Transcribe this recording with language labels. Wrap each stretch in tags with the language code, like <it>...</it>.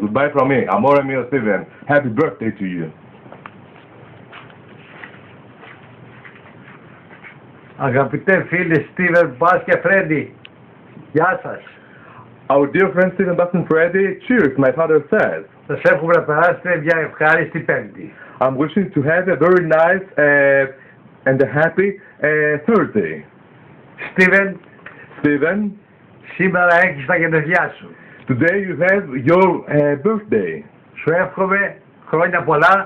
<en>Goodbye from me.</en> <it>Amore mio,</it> <en>Steven. Happy birthday to you.</en> <el>Αγαπητέ φίλε, Steven Bass και Freddy. Γεια σας.</el> <en>Our dear friend Steven Bass and Freddy, cheers, my father says.</en> <el>Σας εύχομαι να περάσετε μια ευχάριστη Πέμπτη.</el> <en>I'm wishing to have a very nice and a happy Thursday. Steven.</en> <el>Σήμερα έχεις τα γενεθλιά σου.</el> <en>Today you have your birthday.</en> <el>Σου εύχομαι χρόνια πολλά.</el>